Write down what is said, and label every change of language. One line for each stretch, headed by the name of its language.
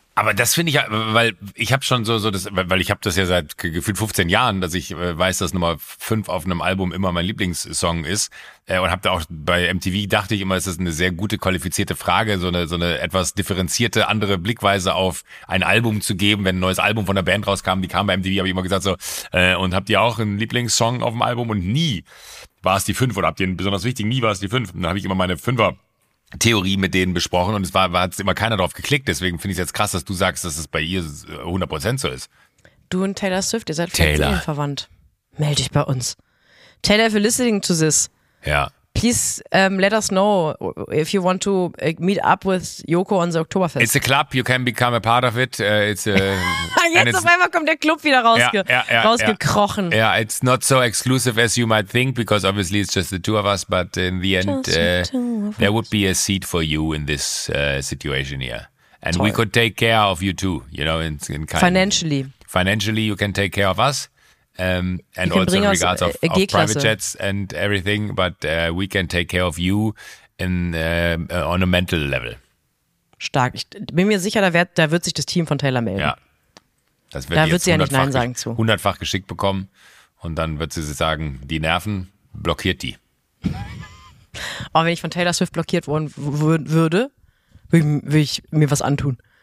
German: Aber das finde ich ja, weil ich habe schon ich habe das ja seit gefühlt 15 Jahren, dass ich weiß, dass Nummer 5 auf einem Album immer mein Lieblingssong ist und habe da auch bei MTV dachte ich immer, es ist eine sehr gute, qualifizierte Frage, so eine etwas differenzierte, andere Blickweise auf ein Album zu geben, wenn ein neues Album von der Band rauskam, die kam bei MTV, habe ich immer gesagt so, und habt ihr auch einen Lieblingssong auf dem Album? Und nie war es die 5 oder habt ihr einen besonders wichtigen, nie war es die 5. Und dann habe ich immer meine 5er Theorie mit denen besprochen und es war hat immer keiner drauf geklickt, deswegen finde ich es jetzt krass, dass du sagst, dass es bei ihr 100% so ist. Du und Taylor Swift, ihr seid vielleicht verwandt. Meld dich bei uns.
English: Taylor, if you're listening to this, please let us know if you want to meet up with Yoko on the Oktoberfest. It's a club, you can become a part of it.
German: Jetzt auf einmal kommt der Club wieder rausgekrochen.
English: Yeah, it's not so exclusive as you might think, because obviously it's just the two of us, but in the end, there would be a seat for you in this situation here. And we could take care of you too, you know, in kind. Financially. Financially, you can take care of us. And also in regards of private jets and everything, but we can take care of you in on a mental level.
German: Stark. Ich bin mir sicher, da wird sich das Team von Taylor melden. Ja. Da wird sie ja nicht Nein sagen zu. 100-fach geschickt bekommen und dann wird sie sagen, die Nerven, blockiert die. Aber wenn ich von Taylor Swift blockiert worden würde, würde ich mir was antun.